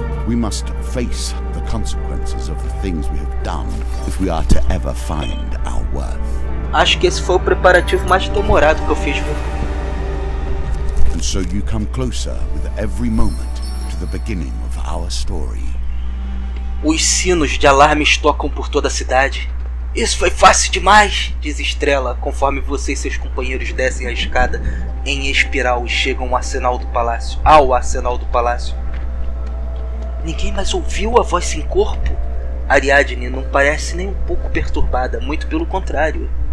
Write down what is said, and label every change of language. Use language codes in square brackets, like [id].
[en] We must face the consequences of the things we have done if we are to ever find our worth. [pt] Acho que esse foi o preparativo mais demorado que eu fiz, viu? [en] And so you come closer with every moment to the beginning of our story. [pt] Os sinos de alarme tocam por toda a cidade. Isso foi fácil demais, diz Estrela, conforme você e seus companheiros descem a escada em espiral e chegam ao arsenal do palácio. Ninguém mais ouviu a voz sem corpo? Ariadne não parece nem um pouco perturbada, muito pelo contrário.